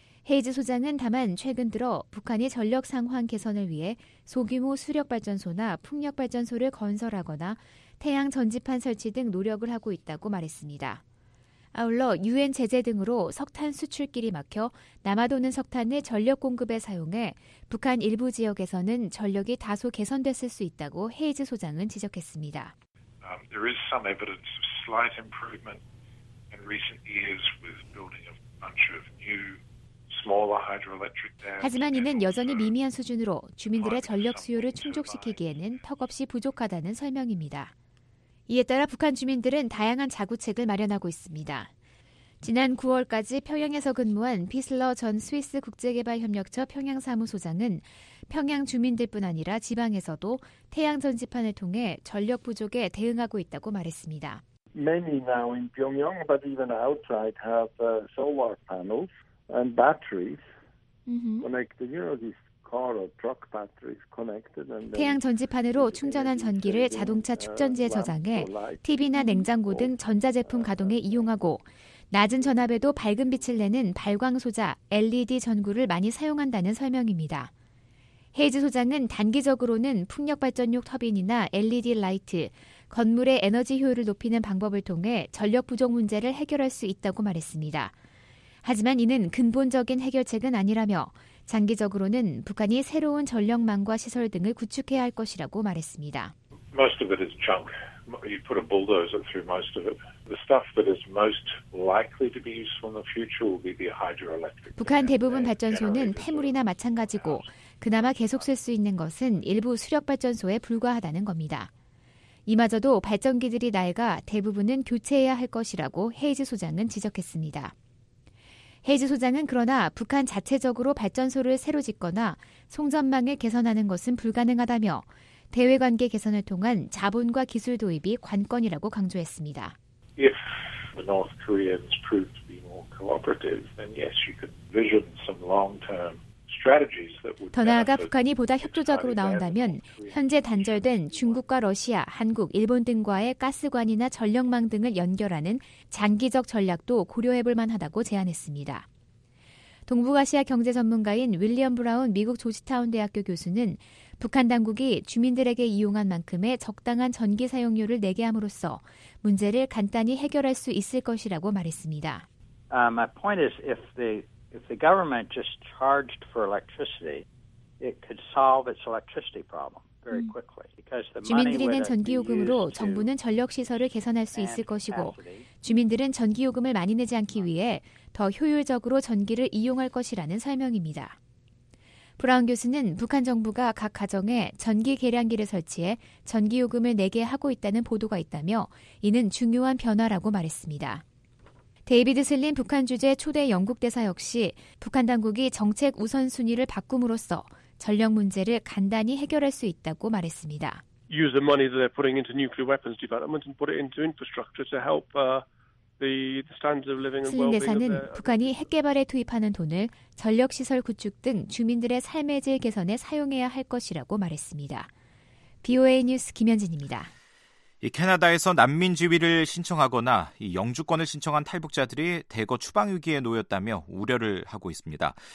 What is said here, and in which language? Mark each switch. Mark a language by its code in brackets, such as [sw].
[ko] 헤이즈 소장은 다만 최근 들어 북한이 전력 상황 개선을 위해 소규모 수력발전소나 풍력발전소를 건설하거나 태양전지판 설치 등 노력을 하고 있다고 말했습니다. 아울러 유엔 제재 등으로 석탄 수출길이 막혀 남아도는 석탄을 전력 공급에 사용해 북한 일부 지역에서는 전력이 다소 개선됐을 수 있다고 헤이즈 소장은 지적했습니다. [en] There is some evidence of slight improvement in recent years with building a bunch of new [ko] 하지만 이는 여전히 미미한 수준으로 주민들의 전력 수요를 충족시키기에는 턱없이 부족하다는 설명입니다. 이에 따라 북한 주민들은 다양한 자구책을 마련하고 있습니다. 지난 9월까지 평양에서 근무한 피슬러 전 스위스 국제개발협력처 평양사무소장은 평양 주민들뿐 아니라 지방에서도 태양전지판을 통해 전력 부족에 대응하고 있다고 말했습니다. [en] Many now in Pyongyang, but even outside, have solar panels. And batteries connected, you know, this car or truck batteries connected. [ko] 태양 전지판으로 충전한 전기를 자동차 축전지에 저장해 TV나 냉장고 등 전자제품 가동에 이용하고 낮은 전압에도 밝은 빛을 내는 발광소자 LED 전구를 많이 사용한다는 설명입니다. 헤이즈 소장은 단기적으로는 풍력발전용 터빈이나 LED 라이트, 건물의 에너지 효율을 높이는 방법을 통해 전력 부족 문제를 해결할 수 있다고 말했습니다. 하지만 이는 근본적인 해결책은 아니라며 장기적으로는 북한이 새로운 전력망과 시설 등을 구축해야 할 것이라고 말했습니다. [en] Most of it is junk. You put a bulldozer through most of it. The stuff that is most likely to be useful in the future will be the hydroelectric. [ko] 북한 대부분 발전소는 폐물이나 마찬가지고 그나마 계속 쓸 수 있는 것은 일부 수력 발전소에 불과하다는 겁니다. 이마저도 발전기들이 낡아 대부분은 교체해야 할 것이라고 헤이즈 소장은 지적했습니다. 헤이즈 소장은 그러나 북한 자체적으로 발전소를 새로 짓거나 송전망을 개선하는 것은 불가능하다며 대외관계 개선을 통한 자본과 기술 도입이 관건이라고 강조했습니다. [en] If the North Koreans prove to be more cooperative, then yes, you could envision some long-term strategies that would. [ko] 더 나아가 북한이 보다 협조적으로 나온다면 현재 단절된 중국과 러시아, 한국, 일본 등과의 가스관이나 전력망 등을 연결하는 장기적 전략도 고려해볼 만하다고 제안했습니다. 동북아시아 경제 전문가인 윌리엄 브라운 미국 조지타운 대학교 교수는 북한 당국이 주민들에게 이용한 만큼의 적당한 전기 사용료를 내게 함으로써 문제를 간단히 해결할 수 있을 것이라고 말했습니다. [en] My point is if the government just charged for electricity, it could solve its electricity problem. [ko] 주민들이 낸 전기요금으로 정부는 전력시설을 개선할 수 있을 것이고 주민들은 전기요금을 많이 내지 않기 위해 더 효율적으로 전기를 이용할 것이라는 설명입니다. 브라운 교수는 북한 정부가 각 가정에 전기 계량기를 설치해 전기요금을 내게 하고 있다는 보도가 있다며 이는 중요한 변화라고 말했습니다. 데이비드 슬린 북한 주재 초대 영국 대사 역시 북한 당국이 정책 우선순위를 바꿈으로써 전력 문제를 간단히 해결할 수 있다고 말했습니다. [en] Use the money that they're putting into nuclear weapons development and put it into infrastructure to help [ko] 슬린 대사는 북한이 핵개발에 투입하는 돈을 전력시설 구축 등 주민들의 삶의 질 개선에 사용해야 할 것이라고 말했습니다. BOA 뉴스 김현진입니다. 캐나다에서 난민 지위를 신청하거나 영주권을 신청한 탈북자들이 대거 추방 위기에 놓였다며 우려를 하고 있습니다.